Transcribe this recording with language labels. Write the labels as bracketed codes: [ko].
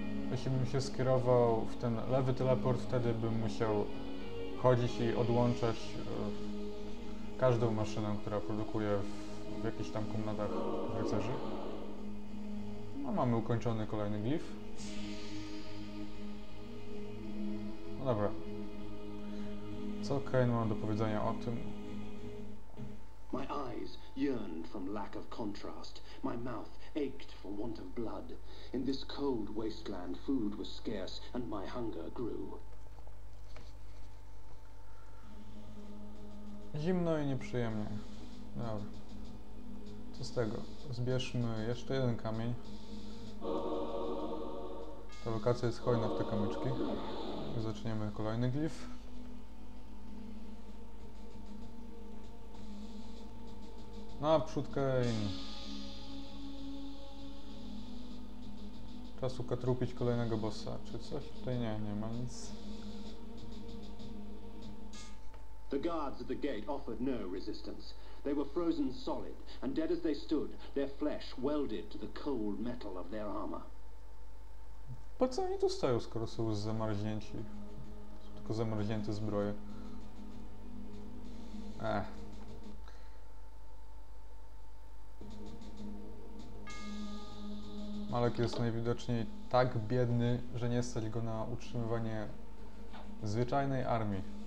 [pl] Jeśli bym się skierował w ten lewy teleport, wtedy bym musiał chodzić i odłączać każdą maszynę, która produkuje w jakichś tam komnatach rycerzy. A mamy ukończony kolejny glif. No dobra. Co Kane ma do powiedzenia o tym? [en] My eyes yearned from lack of contrast. My mouth ached from want of blood. In this cold wasteland food was scarce and my hunger grew. [pl] Zimno i nieprzyjemnie. Dobra. Co z tego? Zbierzmy jeszcze jeden kamień. Ta lokacja jest hojna w te kamyczki. Zaczniemy kolejny glif. Naprzód, Kane. Czas ukatrupić kolejnego bossa. Czy coś tutaj nie ma nic. [en] The guards at the gate offered no resistance. They were frozen solid, and dead as they stood, their flesh welded to the cold metal of their armor. [pl] Po co oni tu stoją, skoro są zamarznięci? Są tylko zamarznięte zbroje. Malek jest najwidoczniej tak biedny, że nie stać go na utrzymywanie zwyczajnej armii.